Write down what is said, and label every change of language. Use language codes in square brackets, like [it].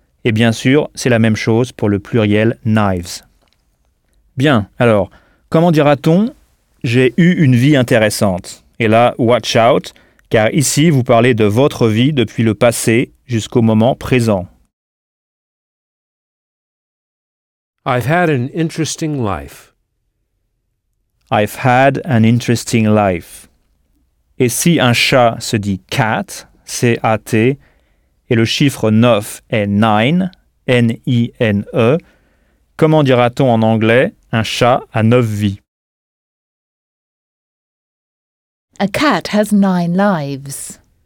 [fr] Et bien sûr, c'est la même chose pour le pluriel knives. Bien, alors, comment dira-t-on « j'ai eu une vie intéressante » Et là, [en] watch out, [fr] car ici, vous parlez de votre vie depuis le passé jusqu'au moment présent. [en] I've had an interesting life. I've had an interesting life. [fr] Et si un chat se dit « cat », C-A-T, et le chiffre 9 est « nine », N-I-N-E, comment dira-t-on en anglais un chat a 9 vies? [en] A cat has 9 lives.